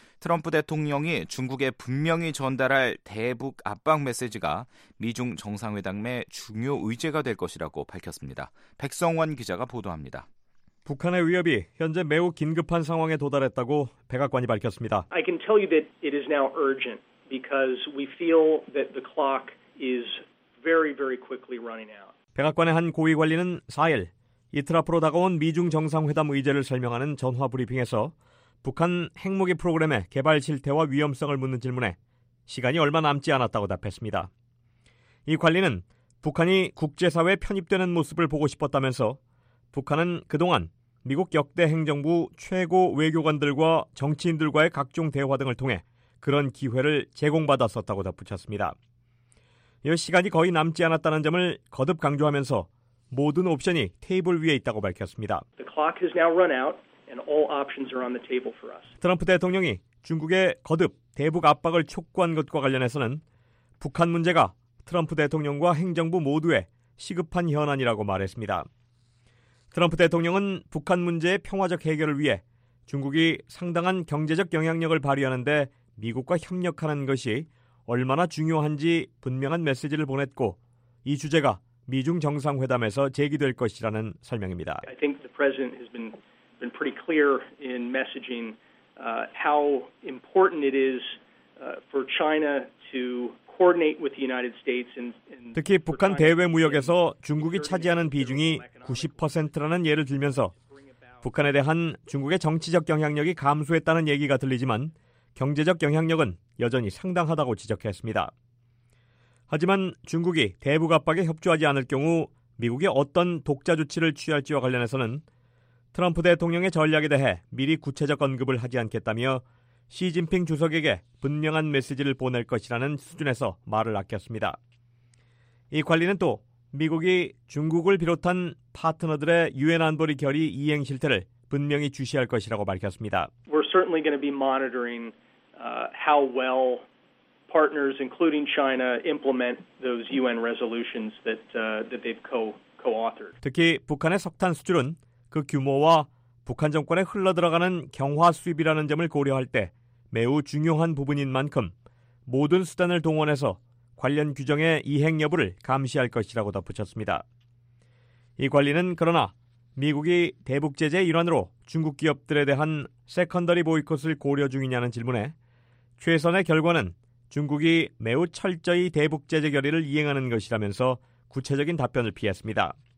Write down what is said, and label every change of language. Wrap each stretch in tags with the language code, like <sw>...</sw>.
<ko>트럼프 대통령이 중국에 분명히 전달할 대북 압박 메시지가 미중 정상회담의 중요 의제가 될 것이라고 밝혔습니다. 백성원 기자가 보도합니다. 북한의 위협이 현재 매우 긴급한 상황에 도달했다고 백악관이 밝혔습니다.</ko> <en>I can tell you that it is now urgent because we feel that the clock is very, very quickly running out.</en> <ko>백악관의 한 고위관리는 4일 이틀 앞으로 다가온 미중 정상회담 의제를 설명하는 전화 브리핑에서 북한 핵무기 프로그램의 개발 실태와 위험성을 묻는 질문에 시간이 얼마 남지 않았다고 답했습니다. 이 관리는 북한이 국제사회에 편입되는 모습을 보고 싶었다면서 북한은 그동안 미국 역대 행정부 최고 외교관들과 정치인들과의 각종 대화 등을 통해 그런 기회를 제공받았었다고 덧붙였습니다. 이 시간이 거의 남지 않았다는 점을 거듭 강조하면서 모든 옵션이 테이블 위에 있다고 밝혔습니다.</ko> <en>The clock has now run out and all options are on the table for us.</en> <ko>트럼프 대통령이 중국의 거듭 대북 압박을 촉구한 것과 관련해서는 북한 문제가 트럼프 대통령과 행정부 모두의 시급한 현안이라고 말했습니다. 트럼프 대통령은 북한 문제의 평화적 해결을 위해 중국이 상당한 경제적 영향력을 발휘하는 데 미국과 협력하는 것이 얼마나 중요한지 분명한 메시지를 보냈고 이 주제가 미중 정상회담에서 제기될 것이라는 설명입니다.</ko> <en>I think the president has been pretty clear in messaging how important it is for China to coordinate with the United States and</en> <ko>특히 북한 대외 무역에서 중국이 차지하는 비중이 90%라는 예를 들면서 북한에 대한 중국의 정치적 영향력이 감소했다는 얘기가 들리지만 경제적 영향력은 여전히 상당하다고 지적했습니다. 하지만 중국이 대북 압박에 협조하지 않을 경우 미국이 어떤 독자 조치를 취할지와 관련해서는 트럼프 대통령의 전략에 대해 미리 구체적 언급을 하지 않겠다며 시진핑 주석에게 분명한 메시지를 보낼 것이라는 수준에서 말을 아꼈습니다. 이 관리는 또 미국이 중국을 비롯한 파트너들의 유엔 안보리 결의 이행 실태를 분명히 주시할 것이라고 밝혔습니다.</ko> <en>We're certainly going to be monitoring how well partners, including China, implement those UN resolutions that they've co-authored.</en> <ko>특히 북한의 석탄 수출은 그 규모와 북한 정권에 흘러들어가는 경화 수입이라는 점을 고려할 때 매우 중요한 부분인 만큼 모든 수단을 동원해서 관련 규정의 이행 여부를 감시할 것이라고 덧붙였습니다. 이 관리는 그러나 미국이 대북 제재 일환으로 중국 기업들에 대한 세컨더리 보이콧을 고려 중이냐는 질문에 최선의 결과는 중국이 매우 철저히 대북 제재 결의를 이행하는 것이라면서 구체적인 답변을 피했습니다.</ko>